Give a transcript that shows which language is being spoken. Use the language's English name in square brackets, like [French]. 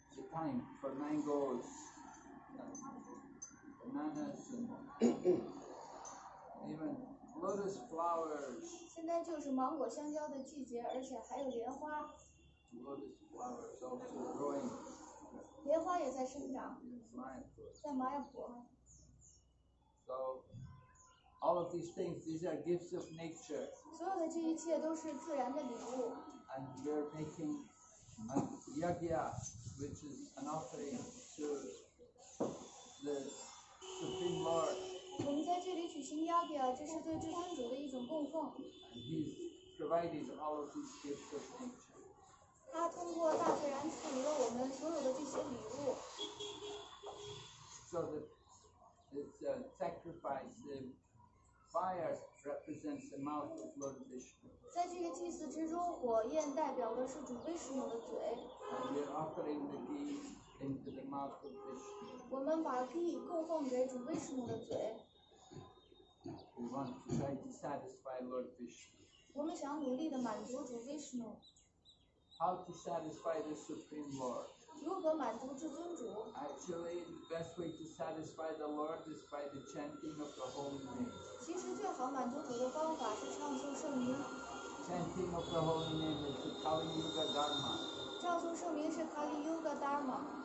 [English] Time for mangoes, bananas, and even lotus flowers. [Chinese] 现在就是芒果、香蕉的季节，而且还有莲花。 [English] Lotus flowers also growing. [Chinese] 莲花也在生长。在马尔普。 [English] So all of these things, these are gifts of nature. [Chinese] 所有的这一切都是自然的礼物。 [English] And we're making a yagya. Which is an offering to the Supreme Lord. [Chinese] 我们在这里举行Yagya，这是对至尊主的一种供奉。 [English] And He's provided all of these gifts of nature. [Chinese] 他通过大自然赐予了我们所有的这些礼物。 [English] So that it's a sacrifice. The fire represents the mouth of Lord Vishnu. [Chinese] 在这个祭祀之中，火焰代表的是主威士努的嘴。 [English] We're offering the ghee into the mouth of Vishnu. [Chinese] 我们把ghee供奉给主威士努的嘴。 [English] We want to try to satisfy Lord Vishnu. [Chinese] 我们想努力地满足主威士努。 [English] How to satisfy the Supreme Lord? [Chinese] 如何满足至尊主？ [English] Actually, the best way to satisfy the Lord is by the chanting of the holy name. [Chinese] 其实最好满足主的方法是唱诵圣名。 [English] Chanting of the holy name is the Kali Yuga Dharma. [Chinese] 唱诵圣名是 Kali Yuga Dharma.